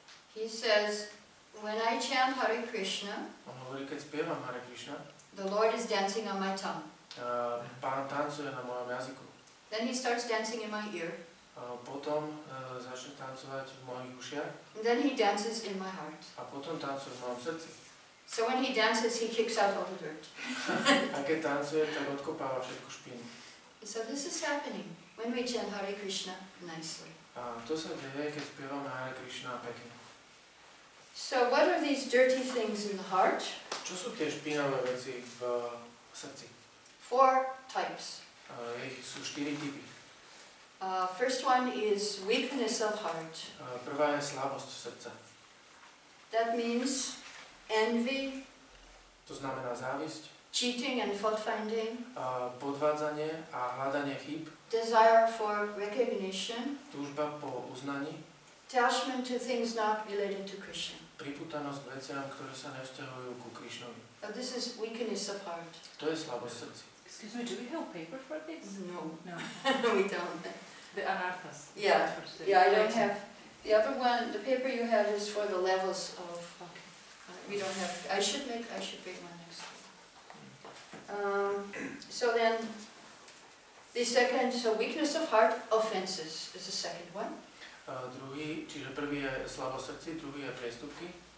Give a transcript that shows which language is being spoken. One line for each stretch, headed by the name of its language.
English: He says, when I chant Hare Krishna,
Slovak: on hovorí, keď spievam Hare Krishna,
English: the Lord is dancing on my tongue.
Slovak: Pán tancuje na mojom jazyku.
English: Then he starts dancing in my ear.
Slovak: Potom začne tancovať v mojich ušiach.
English: Then he dances in my heart.
Slovak: A potom tancuje v mojom srdci.
English: So when he dances, he kicks out all the dirt.
Slovak: A keď tancuje, tak odkopáva všetku špinu.
English: So this is happening. When we chant Hare Krishna nicely.
Slovak: To sa deje, keď spievame Hare Krishna pekne.
English: So what are these dirty things in the heart?
Slovak: Čo sú tie špinavé veci v srdci?
English: 4 types.
Slovak: Sú 4 typy.
English: First one is weakness of heart.
Slovak: Prvá je slabosť srdca.
English: That means envy.
Slovak: To znamená závisť.
English: Cheating and fault finding.
Slovak: Podvádzanie a hľadanie chýb.
English: Desire for recognition.
Slovak: Túžba po uznaní.
English: Attachment to things not related to Krishna.
Slovak: pripútanosť k veciam, ktoré sa nevzťahujú ku Krišnovi.
English: This is weakness of heart.
Slovak: To je slabosť srdca.
English: Excuse me, do we have paper for this? No, no. We don't. The anarthas. Yeah. Yeah, I don't have the other one. The paper you have is for the levels of. We don't have. I should bring one next week. So then the second, so weakness of heart, offenses is the second one.
Slovak: Druhý, čiže prvý je slabosť srdca, druhý je priestupky.